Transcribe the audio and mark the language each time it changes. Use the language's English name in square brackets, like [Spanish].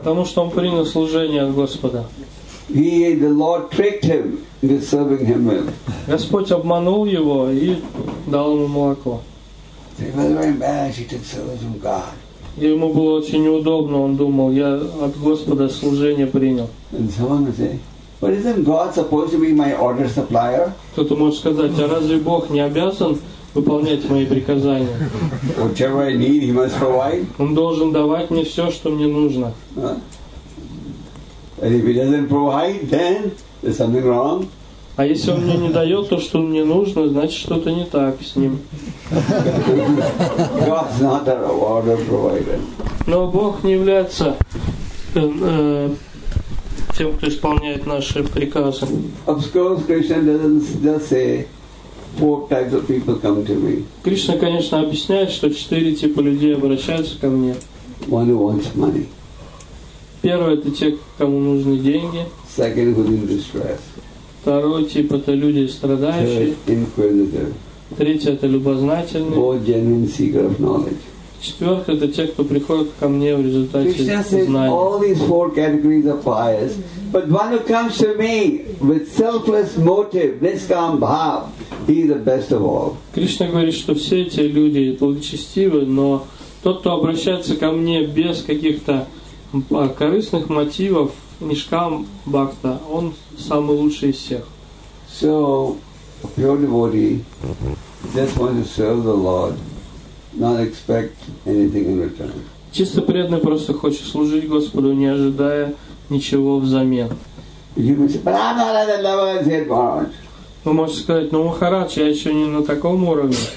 [Russian] Потому что он принял служение от Господа. [English] The Lord tricked him into serving him with. [Russian] Господь обманул его и дал ему молоко. [English] He was very embarrassed. He took service from God. [Russian] Ему было очень неудобно. Он думал: "Я от Господа служение принял." [English] And someone said, "But isn't God supposed to be my order supplier?" [Russian] Кто-то может сказать: "А разве Бог не обязан выполнять мои приказания?" [English] Whatever I need, he must provide. [Russian] Он должен давать мне все, что мне нужно. [English] And if he doesn't provide, then there's something wrong. [Russian] А если он мне не дает то, что мне нужно, значит, что-то не так с ним. [English] God's not an order provider. [Russian] Но Бог не является тем, кто исполняет наши приказы. [English] Of course, Krishna does say, four types of people come to me. [Russian] Кришна, конечно, объясняет, что четыре типа людей обращаются ко мне. [English] One who wants money. [Russian] Первый — это те, кому нужны деньги. [English] Second — who's in distress. [Russian] Второй тип — это люди страдающие. [English] Third — inquisitive. [Russian] Третий — это любознательные. [English] Both genuine seeker of knowledge. [Russian] Четвертый — это те, кто приходит ко мне в результате [English] Krishna [Russian] знания. [English] Says, all these four categories are pious. But one who comes to me with selfless motive, niskam bhav, he is the best of all. [Russian] Кришна говорит, что все эти люди благочестивы, но тот, кто обращается ко мне без каких-то корыстных мотивов, нишкам бхакта, он самый лучший из всех. [English] So, a pure devotee just wants to serve the Lord, not expect anything in return. [Russian] Чисто преданный просто хочет служить Господу, не ожидая ничего взамен. [English] You may say, but I'm not at the level as yet, Maharaj. [Russian] Вы можете сказать, ну, Махарадж, я еще не на таком уровне.